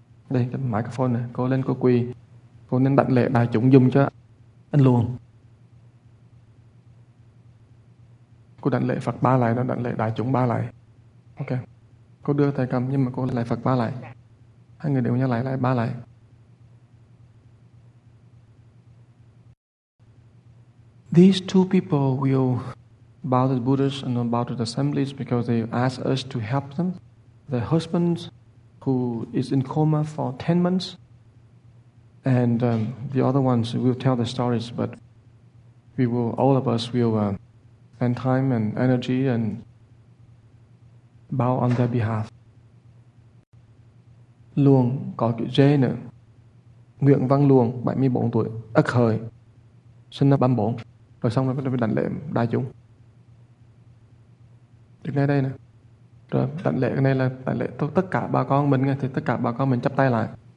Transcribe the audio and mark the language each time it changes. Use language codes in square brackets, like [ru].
[vi] Đây cái microphone này, cô lên cô quỳ. Cô nên đảnh lễ đại chúng dùng cho anh luôn. Cô đảnh lễ Phật ba lại, đảnh lễ đại chúng ba lại. Ok. Cô đưa tay cầm nhưng mà cô lại Phật ba lại. Hai người đều nhau lại ba lại. [en] These two people will bow to the Buddhists and bow to the assemblies because they ask us to help them. The husband who is in coma for 10 months and the other ones will tell the stories, but we will, all of us will spend time and energy and bow on their behalf. [vi] Luồng có chữ J nữa. Nguyễn Văn Luồng, 74 tuổi, Ất Hợi, sinh năm 34. Rồi xong rồi mới đảnh lễ đại chúng. Đứng ngay đây nè. Rồi đảnh lễ này là đảnh lễ tất cả bà con mình nghe. Thì tất cả bà con mình chắp tay lại.